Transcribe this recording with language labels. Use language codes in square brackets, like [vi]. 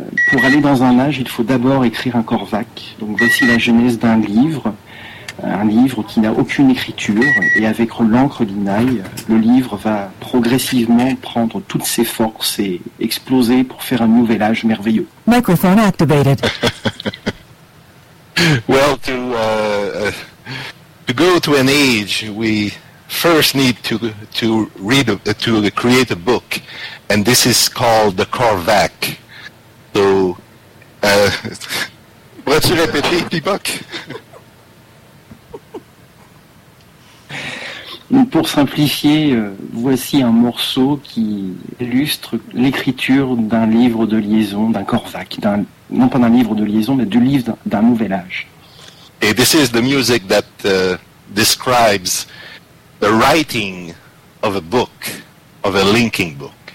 [fr] Pour aller dans un âge, il faut d'abord écrire un Korvac. Donc voici la genèse d'un livre. Un livre qui n'a aucune écriture, et avec l'encre d'Inaï, le livre va progressivement prendre toutes ses forces et exploser pour faire un nouvel âge merveilleux. [en] Microphone activated. Well, to go to an age, we first need to create a book, and this is called the Korvac. [fr] So, vas-tu répéter, Pibok? Pour simplifier, voici un morceau qui illustre l'écriture d'un livre de liaison, d'un Korvac, non pas d'un livre de liaison, mais du livre d'un nouvel âge. [en] Et this is the music that describes the writing of a book, of a linking book.